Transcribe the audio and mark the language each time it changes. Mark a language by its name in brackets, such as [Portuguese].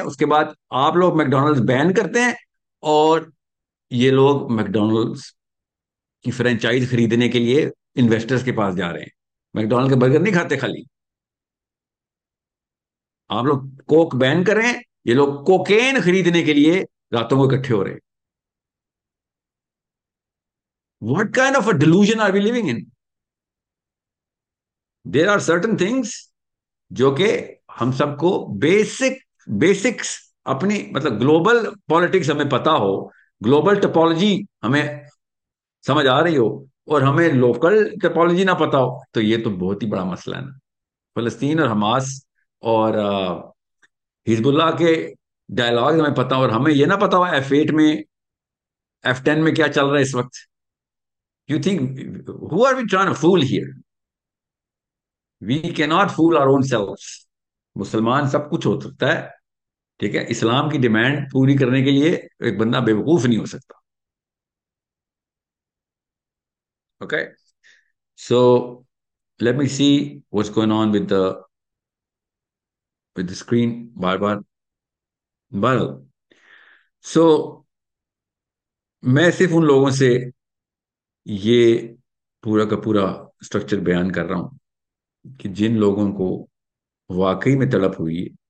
[Urdu] اس کے بعد آپ لوگ میکڈونلڈز بین کرتے ہیں اور یہ لوگ میکڈونلڈز کی فرینچائز خریدنے کے لیے انویسٹرز کے پاس جا رہے ہیں. میکڈونلڈ کے برگر نہیں کھاتے خالی. آپ لوگ کوک بین کر رہے ہیں، یہ لوگ کوکین خریدنے کے لیے راتوں کو اکٹھے ہو رہے ہیں. [English] What kind of a delusion are we living in? [Urdu] There are certain things جو کہ ہم سب کو basics اپنی، مطلب global politics ہمیں پتا ہو، global topology ہمیں سمجھ آ رہی ہو، اور ہمیں local topology نہ پتا ہو، تو یہ تو بہت ہی بڑا مسئلہ ہے نا. فلسطین اور حماس اور حزب اللہ کے ڈائلاگ ہمیں پتا ہو، اور ہمیں یہ نہ پتا ہو F8 میں، F10 میں کیا چل رہا ہے اس وقت. [English] You think, who are we trying to fool here? We cannot fool our own selves. [Urdu] مسلمان سب کچھ ہو سکتا ہے، ٹھیک ہے، اسلام کی ڈیمانڈ پوری کرنے کے لیے ایک بندہ بیوقوف نہیں ہو سکتا. [English] Okay, so let me see what's going on with the screen. [Urdu] Bar bar. So میں صرف ان لوگوں سے یہ پورا کا پورا سٹرکچر بیان کر رہا ہوں کہ جن لوگوں کو واقعی میں تڑپ ہوئی ہے،